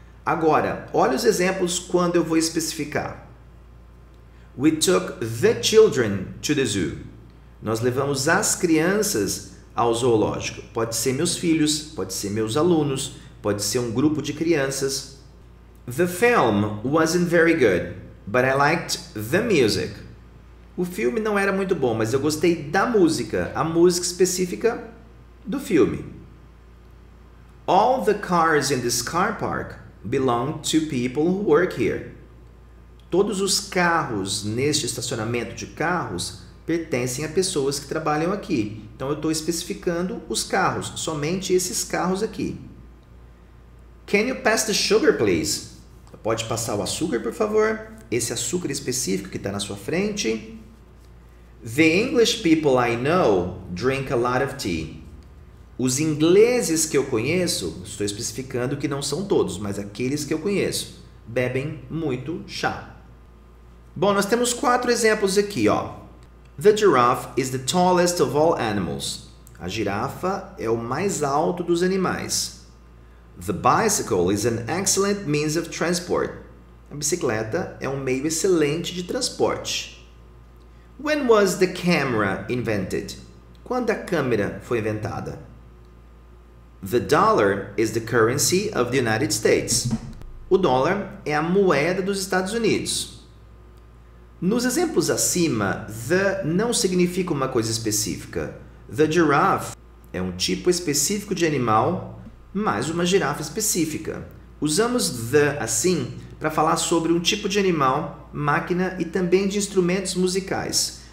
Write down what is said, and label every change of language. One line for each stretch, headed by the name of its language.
Portuguese: Agora, olha os exemplos quando eu vou especificar.
English: We took the children to the zoo.
Portuguese: Nós levamos as crianças ao zoológico. Pode ser meus filhos, pode ser meus alunos, pode ser um grupo de crianças.
English: The film wasn't very good, but I liked the music.
Portuguese: O filme não era muito bom, mas eu gostei da música, a música específica do filme.
English: All the cars in this car park belong to people who work here.
Portuguese: Todos os carros neste estacionamento de carros pertencem a pessoas que trabalham aqui. Então, eu estou especificando os carros, somente esses carros aqui.
English: Can you pass the sugar, please?
Portuguese: Pode passar o açúcar, por favor? Esse açúcar específico que está na sua frente.
English: The English people I know drink a lot of tea.
Portuguese: Os ingleses que eu conheço, estou especificando que não são todos, mas aqueles que eu conheço, bebem muito chá. Bom, nós temos quatro exemplos aqui, ó.
English: The giraffe is the tallest of all animals.
Portuguese: A girafa é o mais alto dos animais.
English: The bicycle is an excellent means of transport.
Portuguese: A bicicleta é um meio excelente de transporte.
English: When was the camera invented?
Portuguese: Quando a câmera foi inventada?
English: The dollar is the currency of the United States.
Portuguese: O dólar é a moeda dos Estados Unidos. Nos exemplos acima, the não significa uma coisa específica. The giraffe é um tipo específico de animal, mais uma girafa específica. Usamos the assim para falar sobre um tipo de animal, máquina e também de instrumentos musicais.